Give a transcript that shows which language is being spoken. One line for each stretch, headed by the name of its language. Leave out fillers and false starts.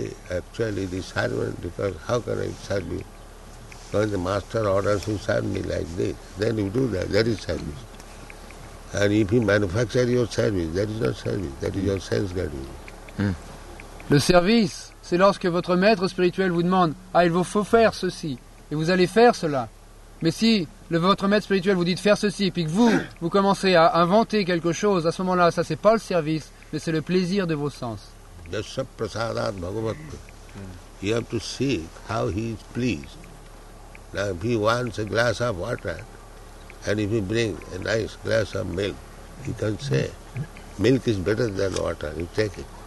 English: Actually, the servant, because how can I serve you? When the master orders to serve me like this, then you do that, that is service. And if you manufacture your service, that is not service, that is your sense getting.
French: Le service, c'est lorsque votre maître spirituel vous demande, ah, il vous faut faire ceci, et vous allez faire cela. Mais si votre maître spirituel vous dit de faire ceci, puis que vous commencez à inventer quelque chose, à ce moment-là, ça, c'est pas le service, mais c'est le plaisir de vos sens.
Sanskrit: Yasya prasadat bhagavat.
English: You have to see how he is pleased. Now if he wants a glass of water, and if he brings a nice glass of milk, he can say, milk is better than water, you take it.